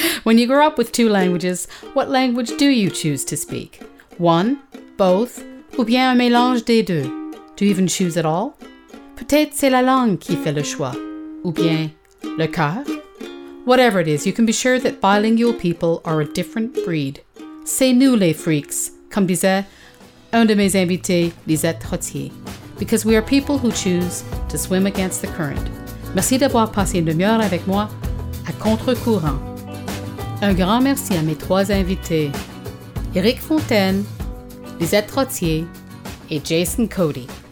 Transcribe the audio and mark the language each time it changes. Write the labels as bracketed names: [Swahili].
[English] When you grow up with two languages, what language do you choose to speak? One, both, [French] ou bien un mélange des deux? [English] Do you even choose at all? [French] Peut-être c'est la langue qui fait le choix, ou bien... Le cœur? [English] Whatever it is, you can be sure that bilingual people are a different breed. [French] C'est nous les freaks, comme disait un de mes invités, Lisette Trottier. [English] Because we are people who choose to swim against the current. [French] Merci d'avoir passé une demi-heure avec moi à contre-courant. Un grand merci à mes trois invités, Éric Fontaine, Lisette Trottier et Jason Cody.